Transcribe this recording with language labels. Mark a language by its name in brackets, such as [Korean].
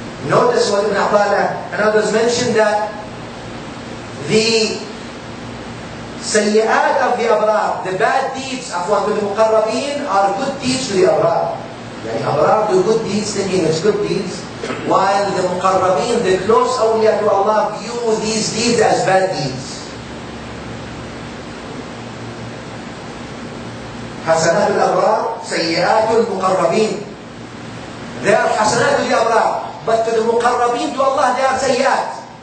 [English] Notice what Ibn Athala and others mentioned, that the sayyi'at of the abrar, the bad deeds of what the muqarrabin, are good deeds to the abrar. Yani abrar do good deeds thinking it's good deeds, while the muqarrabin, the close awliya to Allah, view these deeds as bad deeds. [Arabic] حسنات الأبرار سيئات المقربين. [English] There are hasanat to the abrar, but to the muqarrabin to Allah, there are sayyat.